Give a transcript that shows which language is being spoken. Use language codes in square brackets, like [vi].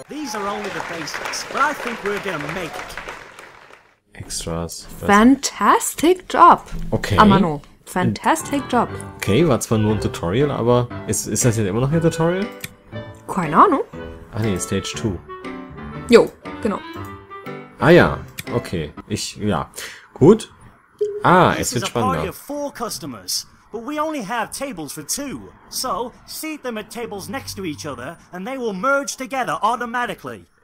[en] These are only the basics, but I think we're gonna make it. Extras. Fantastic Job. Okay. Amano. Fantastic Job. [de] Okay, war zwar nur ein Tutorial, aber ist das jetzt immer noch ein Tutorial? Keine Ahnung. Ach nee, Stage 2. Jo, genau. Ah ja, okay. Ich, ja. Gut. Ah, es wird spannender. Wir haben vier Kunden, aber wir haben nur Tables für zwei. [en] Also, seat them at tables next to each other and they will merge together automatically.